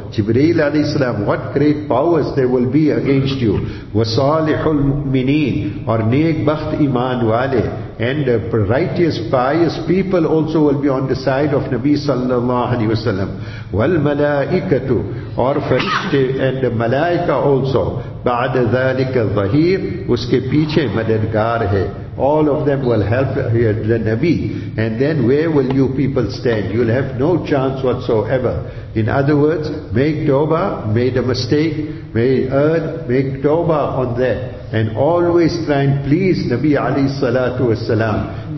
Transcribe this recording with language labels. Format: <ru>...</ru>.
<en>Jibreel alayhi salam, what great powers there will be against you. Wa Salihul Mu'mineen, or Nek Bakht Iman Wale. And righteous, pious people also will be on the side of Nabi sallallahu alayhi wa sallam. Wal Malaikatu, or Farishte, and Malaika also.</en> <ar>بعد ذلك الظهير</ar> <ur>اس کے پیچھے مددگار ہے.</ur> <en>All of them will help the Nabi. And then where will you people stand? You'll have no chance whatsoever. In other words, make tawbah, made a mistake, made earn, make tawbah on that. And always try and please Nabi alayhi salatu wasalam.</en>